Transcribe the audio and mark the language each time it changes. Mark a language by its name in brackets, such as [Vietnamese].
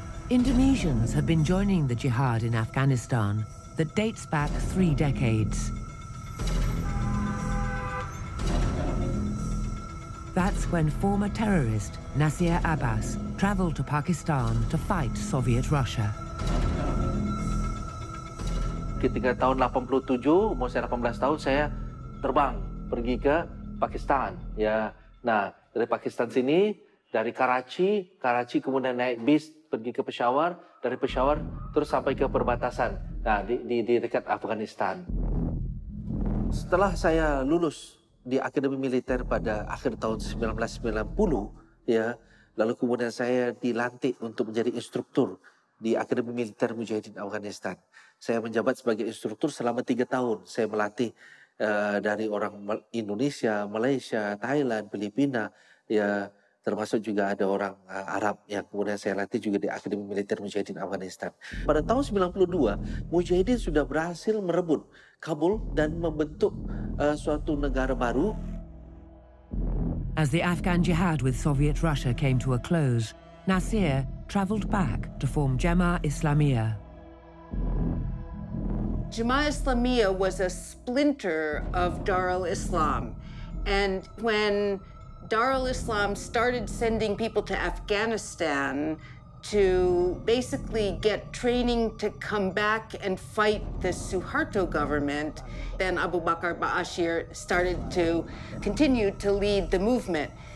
[English] Indonesians have been joining the jihad in Afghanistan that dates back 3 decades. That's when former terrorist Nasir Abbas traveled to Pakistan to fight Soviet Russia. [Indonesian] Ketika tahun 87, umur saya 18 tahun, saya terbang pergi ke Pakistan, ya. Nah, dari Pakistan sini, dari Karachi, Karachi kemudian naik bis pergi ke Peshawar, dari Peshawar terus sampai ke perbatasan, nah, di dekat Afghanistan. Setelah saya lulus di Akademi Militer pada akhir tahun 1990, ya, lalu kemudian saya dilantik untuk menjadi instruktur di Akademi Militer Mujahidin Afghanistan. Saya menjabat sebagai instruktur selama 3 tahun. Saya melatih dari orang Indonesia, Malaysia, Thailand, Filipina, ya, termasuk juga ada orang Arab yang kemudian saya latih juga di Akademi Militer Mujahidin Afghanistan. Pada tahun 92, Mujahidin sudah berhasil merebut Kabul dan membentuk suatu negara baru. [English] As the Afghan jihad with Soviet Russia came to a close, Nasir traveled back to form Jemaah Islamiyah. Jemaah Islamiyah was a splinter of Darul Islam. And when Darul Islam started sending people to Afghanistan to basically get training to come back and fight the Suharto government, then Abu Bakr Ba'asyir started to continue to lead the movement.